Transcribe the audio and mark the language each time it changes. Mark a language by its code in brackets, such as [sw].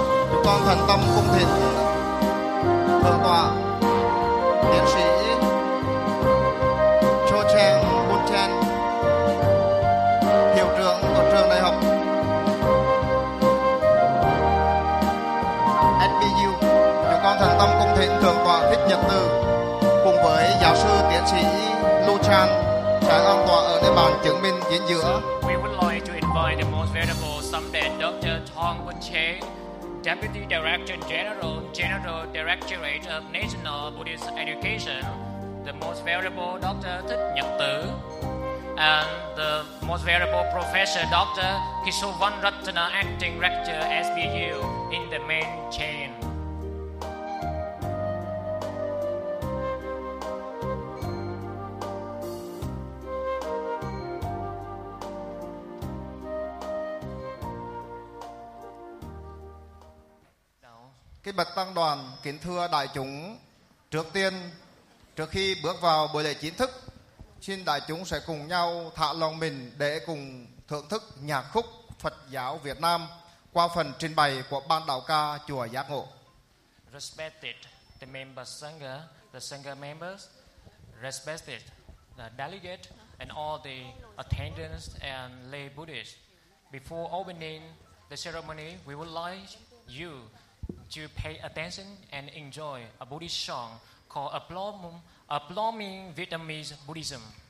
[vi] Chúng con thành tâm cung thỉnh thượng tọa tiến sĩ Chochen Bunchen, hiệu trưởng của trường đại học SBU. Chúng con thành tâm cung thỉnh thượng tọa Thích Nhật Từ cùng với giáo sư tiến sĩ Lu Chan trải an tọa ở địa bàn chứng minh chính giữa. [en] We would like to invite the most venerable Sumpen Dr. Thong Bun Chen, Deputy Director General, General Directorate of National Buddhist Education, the most venerable Dr. Thích Nhật Từ, and the most venerable Professor Dr. Kishovarathana, Acting Rector SBU, in the main chain. [vi] Kính bạch tăng đoàn, kính thưa đại chúng, trước tiên, trước khi bước vào buổi lễ chính thức, xin đại chúng sẽ cùng nhau thả lòng mình để cùng thưởng thức nhạc khúc Phật giáo Việt Nam qua phần trình bày của ban đạo ca chùa Giác Ngộ. [en] Respected the members sangha, the sangha members, respected the delegate and all the attendants and lay Buddhists. Before opening the ceremony, we would like you to pay attention and enjoy a Buddhist song called Applauding Vietnamese Buddhism.